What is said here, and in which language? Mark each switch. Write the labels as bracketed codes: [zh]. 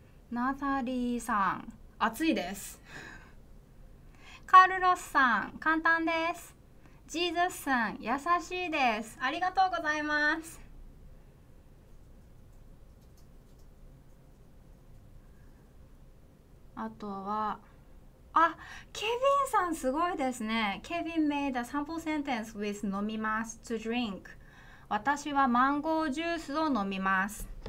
[ja] ナタリーさん、暑いです。カルロスさん、簡単です。ジーザスさん、優しいです。ありがとうございます。あとは、あ、ケビンさんすごいですね。 [en] ケビン made a sample sentence with 飲みます to drink. [ja] 私はマンゴージュースを飲みます。